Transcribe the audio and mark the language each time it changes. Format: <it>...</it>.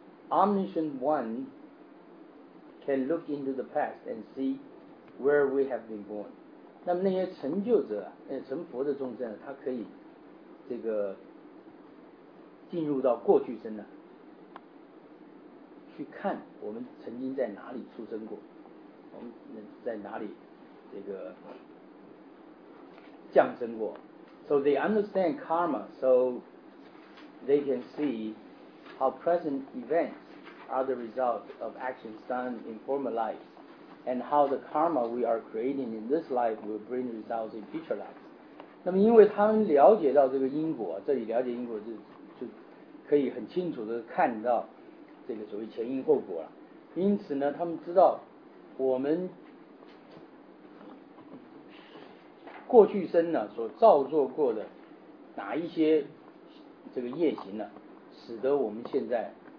<en>Omniscient one can look into the past and see where we have been born.</en> <zh>那么那些成就者，那成佛的众生，他可以这个进入到过去生呢，去看我们曾经在哪里出生过，我们在哪里这个降生过。</zh> <en>So they understand karma, so they can see how present events. Are the result of actions done in former lives, and how the karma we are creating in this life will bring results in future lives.</en> <zh>那么，因为他们了解到这个因果，这里了解因果就可以很清楚的看到这个所谓前因后果了。因此呢，他们知道我们过去生呢所造作过的哪一些这个业行呢，使得我们现在。</zh>